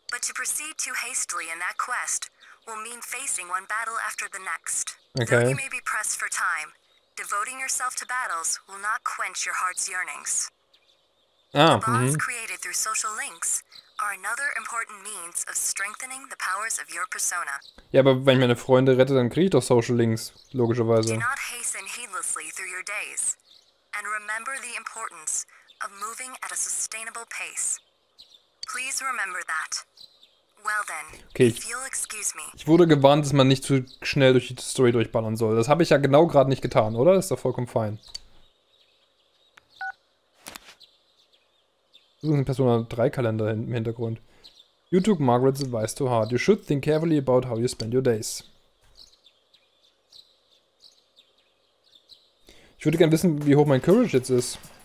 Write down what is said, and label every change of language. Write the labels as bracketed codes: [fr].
[en] But to proceed too hastily in that quest will mean facing one battle after the next. Okay. Though you may be pressed for time, devoting yourself to battles will not quench your heart's yearnings. Oh, the bonds mm-hmm. created through social links are another important means of strengthening the powers of your persona. [de] Ja, aber wenn ich meine Freunde rette, dann kriege ich doch Social Links, logischerweise. [en] Do not hasten heedlessly through your days. And remember the importance of moving at a sustainable pace. Please remember that. Well then, okay, if you'll excuse me. [de] Ich wurde gewarnt, dass man nicht zu schnell durch die Story durchballern soll. Das habe ich ja genau gerade nicht getan, oder? Das ist doch vollkommen fein. [en] Persona 3 [de] Kalender im Hintergrund. [en] You took Margaret's advice too hard. You should think carefully about how you spend your days. [de] Ich würde gerne wissen, wie hoch mein Courage jetzt ist.